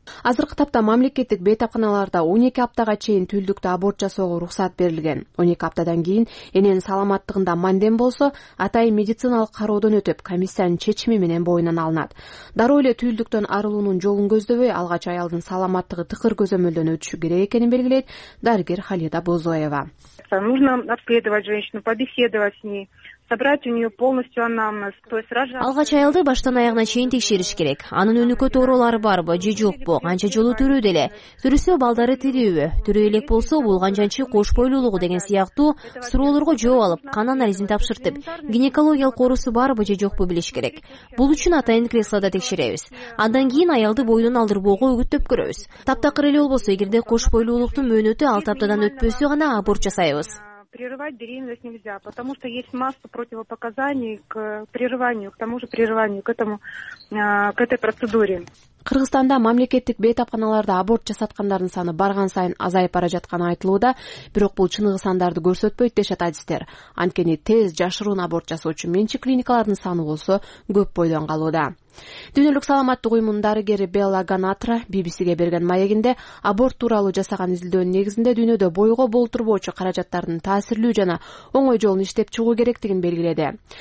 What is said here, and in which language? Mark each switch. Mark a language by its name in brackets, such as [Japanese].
[Kyrgyz] Азыркы тапта мамлекеттик бейтапканаларда 12 аптага чейин түлдүктө аборт жасоого уруксат берилген. 12 аптадан кийин эненин саламаттыгында мандем болсо, атайын медициналык кароодон өтүп, комиссиянын чечими менен боюнан алынат. Дароо эле түлдүктөн арылуунун жолун көздөбөй, алгач аялдын саламаттыгы тыкыр көзөмөлдөн өтүшү керек экенин белгилейт дарыгер Халида Бозоева. [Russian] Нужно обследовать женщину, побеседовать с ней. Собрать у нее полностью анамнез, то есть рожать. [Kyrgyz] Алгач аялды баштан аягына чейин текшериш керек. Анын өнүккө тоорулары барбы, же жокпу, канча жолу түрүү деле. Түрүсө балдары тирүүбү, түрүү элек болсо бул канчанчы кош бойлуулугу деген сыяктуу суроолорго жооп алып, кан анализин тапшыртып, гинекологиялык оорусу барбы же жокпу билиш керек. Бул үчүн атайын креслода текшеребиз. Андан кийин аялды бойдон алдырбоого үгүттөп көрөбүз. Таптакыр эле болбосо, эгерде кош бойлуулуктун мөөнөтү 6 аптадан өтпөсө гана аборт жасайбыз. [Russian] Прерывать беременность нельзя, потому что есть масса противопоказаний к прерыванию, к тому же прерыванию, к этой процедуре. [Kyrgyz] Кыргызстанда мамлекеттик бейтапканаларда аборт жасаткандардын саны барган сайын азайып бара жатканы айтылууда, бирок бул чыныгы сандарды көрсөтпөйт дешет адистер. Анткени тез жашыруун аборт жасоочу менчик клиникалардын саны болсо көп бойдон калууда. Дүйнөлүк саламаттык уюмунун дарыгери Белла Ганатра BBC'ге берген маегинде аборт тууралуу жасаган изилдөөнүн негизинде дүйнөдө бойго болтурбоочу каражаттардын таасирлүү жана оңой жолун иштеп чыгуу керектигин белгиледи.